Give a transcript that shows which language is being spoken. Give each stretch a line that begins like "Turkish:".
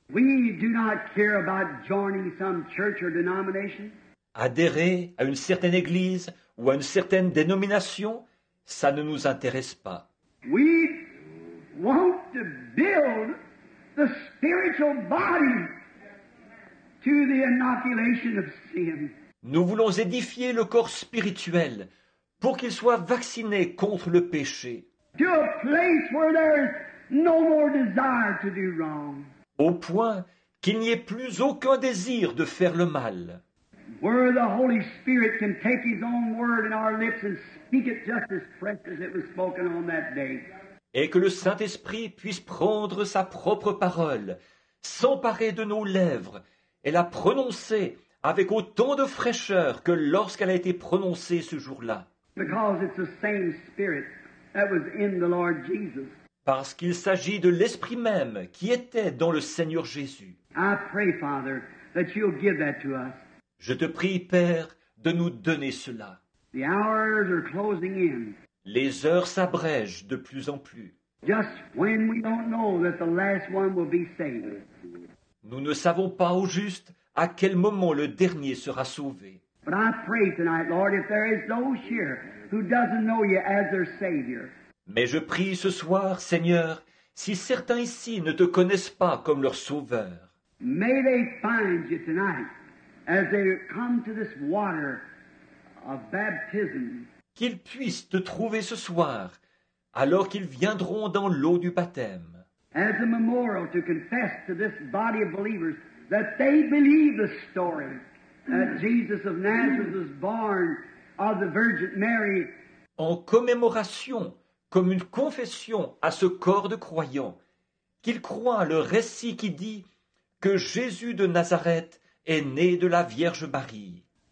English: We do not care about joining some church or denomination.
French: Adhérer à une certaine église ou à une certaine dénomination, ça ne nous intéresse pas.
English: We want to build the spiritual body to the inoculation of sin.
French: Nous voulons édifier le corps spirituel pour qu'il soit vacciné contre le péché.
English: To a place where there is no more desire to do wrong.
French: au point qu'il n'y ait plus aucun désir de faire le mal.
English: Where the Holy Spirit can take His own word in our lips and speak it just as fresh as it was spoken on that day.
French: Et que le Saint-Esprit puisse prendre sa propre parole, s'emparer de nos lèvres et la prononcer avec autant de fraîcheur que lorsqu'elle a été prononcée ce jour-là.
English: Because it's the same Spirit that was in the Lord Jesus.
French: Parce qu'il s'agit de l'Esprit même qui était dans le Seigneur Jésus.
English: I pray, Father, that you'll give that to us.
French: Je te prie, Père, de nous donner cela.
English: The hours are closing in.
French: Les heures s'abrègent de plus en plus.
English: Just when we don't know that the last one will be saved.
French: Nous ne savons pas au juste à quel moment le dernier sera sauvé.
English: But I pray tonight, Lord, if there is those here who doesn't know you as their Savior.
French: Mais je prie ce soir, Seigneur, si certains ici ne te connaissent pas comme leur sauveur.
English: May they find you tonight as they come to this water of baptism.
French: Qu'ils puissent te trouver ce soir, alors qu'ils viendront dans l'eau du baptême.
English: As a memorial to confess to this body of believers that they believe the story that Jesus of Nazareth was born of the Virgin Mary.
French: En commémoration, comme une confession à ce corps de croyants, qu'ils croient le récit qui dit que Jésus de Nazareth est né de la Vierge Marie.